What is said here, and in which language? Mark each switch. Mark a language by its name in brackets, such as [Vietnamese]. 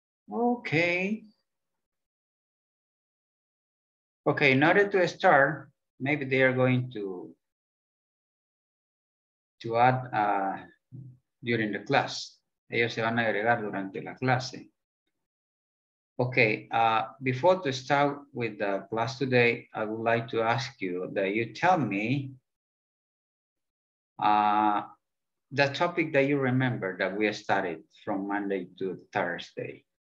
[English] Okay. Okay, in order to start, maybe they are going to add during the class. [Spanish] Ellos se van a agregar durante la clase. [English] Okay, before to start with the class today, I would like to ask you that you tell me the topic that you remember that we studied from Monday to Thursday.